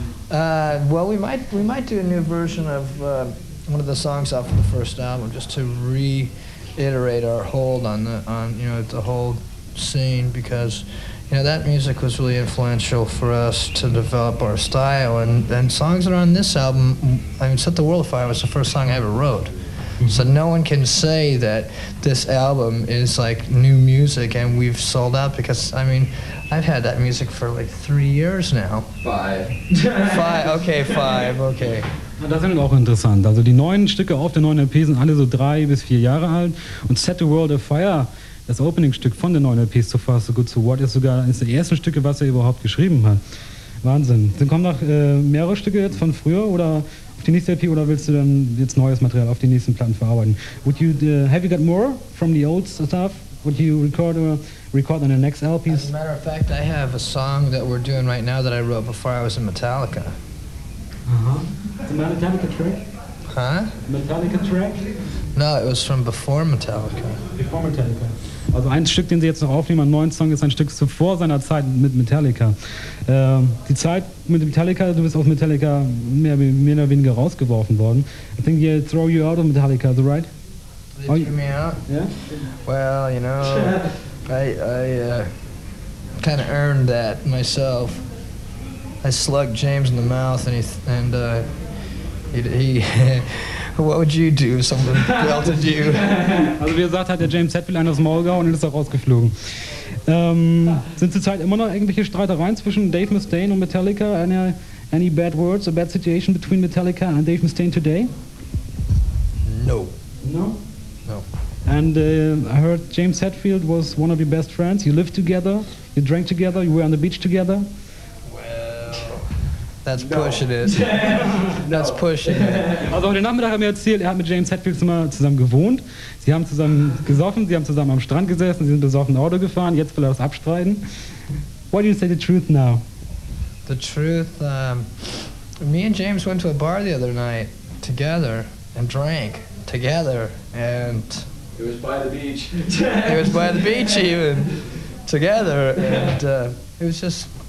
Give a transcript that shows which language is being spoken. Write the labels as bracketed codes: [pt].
[en] Well, we might do a new version of one of the songs off of the first album, just to reiterate our hold on the whole scene, because you know that music was really influential for us to develop our style, and songs that are on this album, I mean, Set the World Afire was the first song I ever wrote. Mm-hmm. So no one can say that this album is like new music and we've sold out, because I mean, I've had that music for like 3 years now. Five. [de] Das ist auch interessant. Also die neuen Stücke auf der neuen LP sind alle so 3 bis 4 Jahre alt. Und Set the World Afire, das Opening-Stück von der neuen LP, So Far, So Good, So What, ist sogar eines der ersten Stücke, was er überhaupt geschrieben hat. Wahnsinn. Dann kommen noch mehrere Stücke jetzt von früher oder auf die nächste LP, oder willst du dann jetzt neues Material auf die nächsten Platten verarbeiten? [en] Would you have you got more from the old stuff? Would you record on the next LP? As a matter of fact, I have a song that we're doing right now that I wrote before I was in Metallica. Uh-huh. It's a Metallica track? Huh? Metallica track? No, it was from before Metallica. Before Metallica. [de] Also ein Stück, den sie jetzt noch aufnehmen, einen neuen Song, ist ein Stück zuvor seiner Zeit mit Metallica. Die Zeit mit Metallica, du bist aus Metallica mehr oder weniger rausgeworfen worden. [en] I think they throw you out of Metallica, is that right? They threw me out? Yeah? Well, you know, I kind of earned that myself. I slugged James in the mouth and he what would you do if someone belted you? [de] Also wie gesagt, hat der James Hetfield einen aus dem Maul gehauen und ist auch rausgeflogen. Sind zurzeit immer noch irgendwelche Streitereien zwischen Dave Mustaine und Metallica? [en] Any bad words, a bad situation between Metallica and Dave Mustaine today? No. No? No. And I heard James Hetfield was one of your best friends. You lived together, you drank together, you were on the beach together. That's pushing it. That's pushing it. [de] Also heute Nachmittag hat er mir erzählt, er hat mit James Hetfield zusammen gewohnt. Sie haben zusammen gesoffen, sie haben zusammen am Strand gesessen, sie sind besoffen Auto gefahren, jetzt will er das abstreiten. [en] Why do you say the truth now? The truth, me and James went to a bar the other night together and drank together and... It was by the beach. It was by the beach even, together, and it was just...